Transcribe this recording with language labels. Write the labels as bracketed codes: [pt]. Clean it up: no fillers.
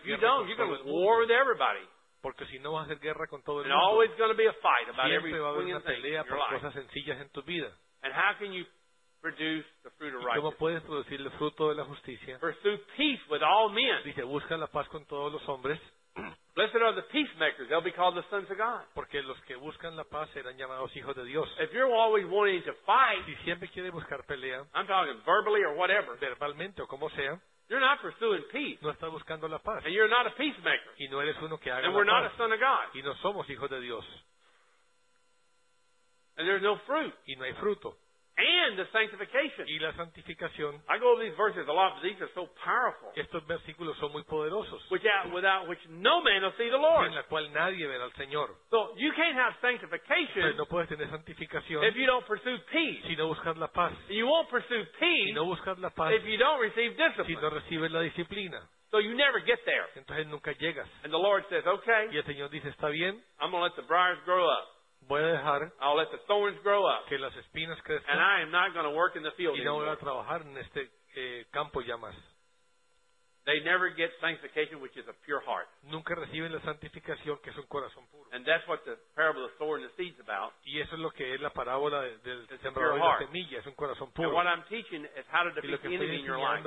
[en] But if you don't, you're going to war with everybody. [es] Porque si no vas a hacer guerra con todo el [en] and [es] mundo. [en] Always going to be a fight about [es] siempre [en] every [es] va a haber una pelea por cosas sencillas en tu vida. [en] And how can you produce the fruit of righteousness? [es] ¿Cómo puedes producir el fruto de la justicia? [en] Pursue peace with all men. [es] Dice, busca la paz con todos los hombres. [en] Blessed are the peacemakers, they'll be called the sons of God. [es] Porque los que buscan la paz serán llamados hijos de Dios. [en] If you're always wanting to fight, [es] si siempre quieres buscar pelea, [en] I'm talking verbally or whatever, [es] verbalmente o como sea, [en] you're not pursuing peace. [es] No estás buscando la paz. [en] And you're not a peacemaker. [es] Y no eres uno que haga [en] and we're [es] la [en] not [es] paz. [en] A son of God. [es] Y no somos hijos de Dios. [en] And there's no fruit. [es] Y no hay fruto. [en] And the sanctification. [es] Y la santificación. [en] I go over these verses a lot, but these are so powerful. [es] Estos versículos son muy poderosos. [en] Without which no man will see the Lord. [es] Sin la cual nadie verá al Señor. [en] So you can't have sanctification. [es] Pero no puedes tener santificación. [en] If you don't pursue peace. [es] Si no buscas la paz. [en] You won't pursue peace. [es] Si no buscas la paz. [en] If you don't receive discipline. [es] Si no recibes la disciplina. [en] So you never get there. [es] Entonces nunca llegas. [en] And the Lord says, okay. [es] Y el Señor dice, está bien. [en] I'm going to let the briars grow up. [es] Voy a dejar [en] I'll let the thorns grow up, [es] que las espinas crezcan, [en] and I am not going to work in the field [es] y no [en] anymore. [es] Voy a trabajar en este campo ya más. [en] They never get sanctification, which is a pure heart. [es] Nunca reciben la santificación, que es un corazón puro. [en] And that's what the parable of the sower and the seed is about. [es] Y eso es lo que es la parábola del sembrador y la semilla, es un corazón puro. [en] And what I'm teaching is how to defeat the enemy in your life.